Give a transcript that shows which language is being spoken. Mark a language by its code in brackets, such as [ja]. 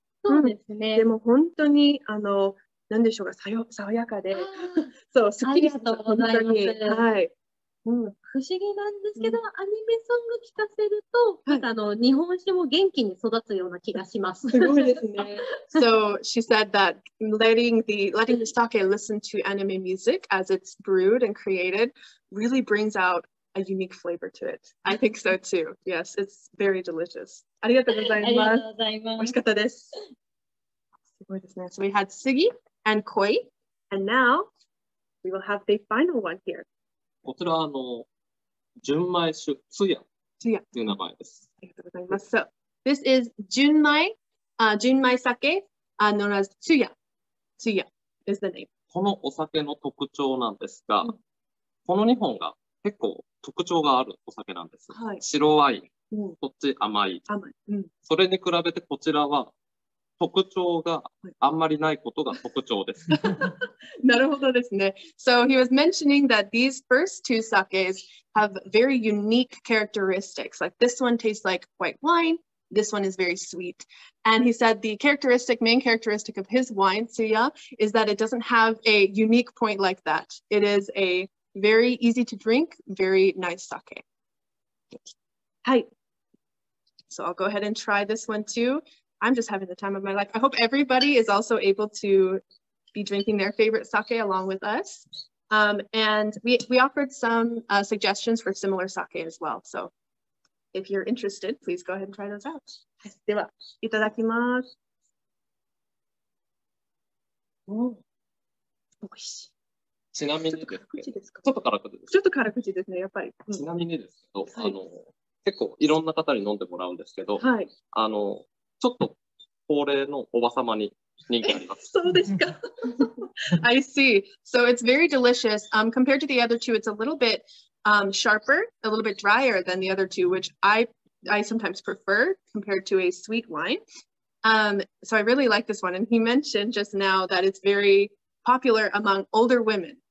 [ja] そうですね。うん、でも本当に、なんでしょうか、爽やかで。そう、すっきりしたことないです。はい。うん、不思議なんですけど、うん、アニメソング聞かせると、はい、日本酒も元気に育つような気がします。すごいですね。 [en] So she said that letting the sake listen to anime music as it's brewed and created really brings out a unique flavor to it. I think so too. Yes, it's very delicious. [ja] ありがとうございます。ありがとうございます。美味しかったです。すごいですね。 [en] So we had Sugi and Koi, and now we will have the final one here. [ja] こちらは純米酒、つやという名前です。ありがとうございます。 [en] So, this is 純米、純米酒、known as つや。つや is the name. [ja] このお酒の特徴なんですが、この2本が結構特徴があるお酒なんです。はい、白ワイン、こっち甘い。甘い、うん。それに比べてこちらは、特徴があんまりないことが特徴です。なるほどですね。 [en] So he was mentioning that these first two sakes have very unique characteristics. Like this one tastes like white wine. This one is very sweet. And he said the main characteristic of his wine, Tsuya, is that it doesn't have a unique point like that. It is a very easy to drink, very nice sake. [ja] はい。 [en] So I'll go ahead and try this one too. I'm just having the time of my life. I hope everybody is also able to be drinking their favorite sake along with us. And we offered some suggestions for similar sake as well. So if you're interested, please go ahead and try those out. [ja] では、いただきます。おいしい。ちなみにですか。ちょっと辛口ですね、やっぱり。ちなみにですけど、結構いろんな方に飲んでもらうんですけど、はい、ちょっと高齢のおばさまに人気あります。そうですか。 [en] I see. So it's very delicious. Compared to the other two, it's a little bit sharper, a little bit drier than the other two, which I sometimes prefer compared to a sweet wine. So I really like this one. And he mentioned just now that it's very popular among older women.